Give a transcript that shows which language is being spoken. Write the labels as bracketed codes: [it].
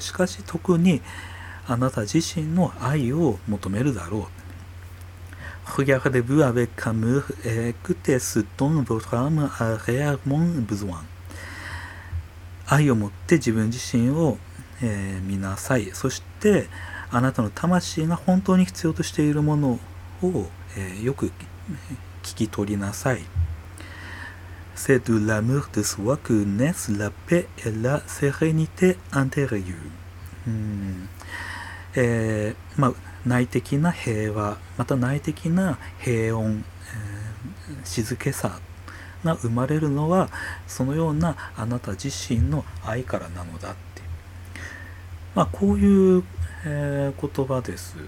[ja] しかし、特にあなた自身の愛を求めるだろう。 [fr] Regardez-vous avec amour et écoutez ce dont votre âme a réellement besoin。 [ja] 愛を持って自分自身を、見なさい。そしてあなたの魂が本当に必要としているものを、よく聞き取りなさい。 [fr] C'est de l'amour de soi que naissent la paix et la sérénité intérieure。 [ja] 内的な平和、また内的な平穏、静けさが生まれるのはそのようなあなた自身の愛からなのだって、まあ、こういう、言葉です。